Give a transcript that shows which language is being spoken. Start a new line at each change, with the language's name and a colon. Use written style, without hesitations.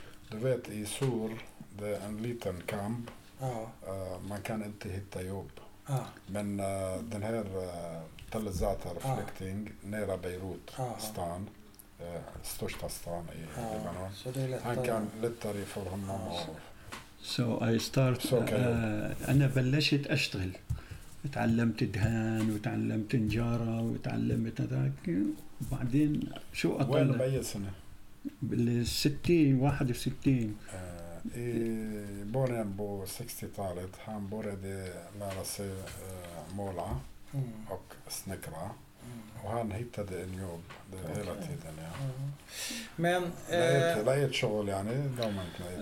Swedish: Du vet, i Sur, det är en liten kamp. Man kan inte hitta jobb. Men den här Tel Zatar flykting nära Beirut stan största stan i Libanon han kan lättare för honom
English: so I start
Arabic: انا بلشت اشتغل تعلمت دهان وتعلمت نجارة وتعلمت هذاك وبعدين شو اطلع وين بأي سنة بال 60 61
Swedish: I början på 60-talet han började lära sig måla och snickra och han hittade en jobb det hela tiden ja. Men
Arabic: لقيت شغل يعني دومنت